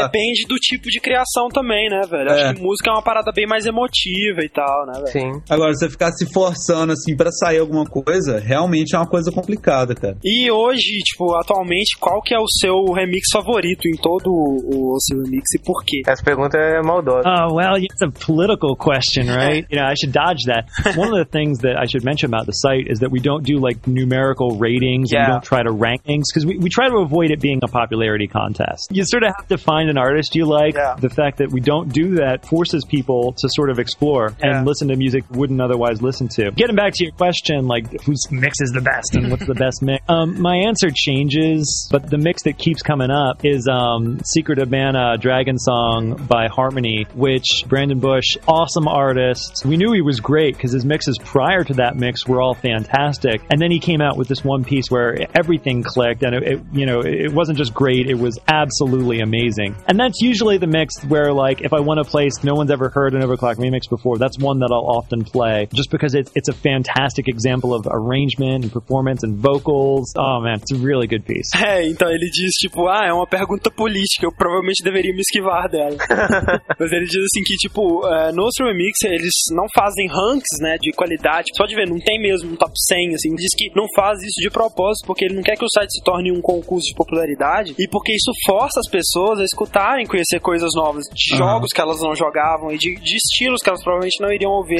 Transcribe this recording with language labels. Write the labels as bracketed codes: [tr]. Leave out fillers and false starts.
[pt] É, depende do tipo de criação também, né, velho? Acho que música é uma parada bem mais emotiva e tal, né, velho? Sim. Agora, se você ficar se forçando assim pra sair alguma coisa, realmente é uma coisa complicada, cara. E hoje, tipo, atualmente, qual que é o seu remix favorito em todo o seu mix e por quê? Essa pergunta é maldosa. [en] Oh, well, it's a political question, right? You know, I should dodge that. One of the things that I should mention about the site is that we don't do, like, numerical ratings. Yeah. And we don't try to rank things, because we try to avoid it being a popularity contest. You sort of have to find an artist you like. Yeah. The fact that we don't do that forces people to sort of explore and listen to music wouldn't otherwise listen to. Getting back to your question, like, whose mix is the best and what's the best mix? My answer changes, but the mix that keeps coming up is Secret of Mana Dragon Song by Harmony, which Brandon Bush, awesome artist. We knew he was great because his mixes prior to that mix were all fantastic. And then he came out with this one piece where everything clicked, and it wasn't just great, it was absolutely amazing. And that's usually the mix where, like, if I want a place no one's ever heard an Overclock remix before, that's one that I'll often play just because it's a fantastic example of arrangement and performance and vocals. Oh man, it's a really good piece. [pt] Hey, então ele diz, tipo, é uma pergunta política, eu provavelmente deveria me esquivar dela. Mas ele diz assim que, tipo, nos remix eles não fazem ranks, né, de qualidade. Pode ver, não tem mesmo um top 100, assim. Ele diz que não faz isso de propósito porque ele não quer que o site se torne um concurso de popularidade e porque isso força as pessoas a escutarem, conhecer coisas novas de jogos que elas não jogavam e de estilos que elas provavelmente não iriam ouvir.